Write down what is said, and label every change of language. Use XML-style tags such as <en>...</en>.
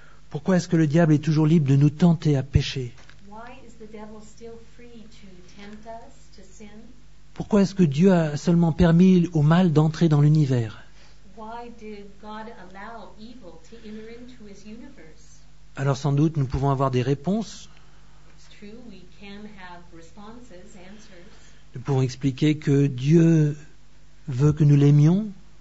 <fr>Pourquoi est-ce que le diable est toujours libre de nous tenter à pécher?</fr> <en>Why is the devil still free to tempt us to sin?</en> <fr>Pourquoi est-ce que Dieu a seulement permis au mal d'entrer dans l'univers?</fr> <en>Why did God allow evil to enter into his universe?</en> <fr>Alors sans doute, nous pouvons avoir des réponses.</fr> <en>It's true, we can have responses, answers.</en> <fr>Nous pouvons expliquer que Dieu veut que nous l'aimions.</fr>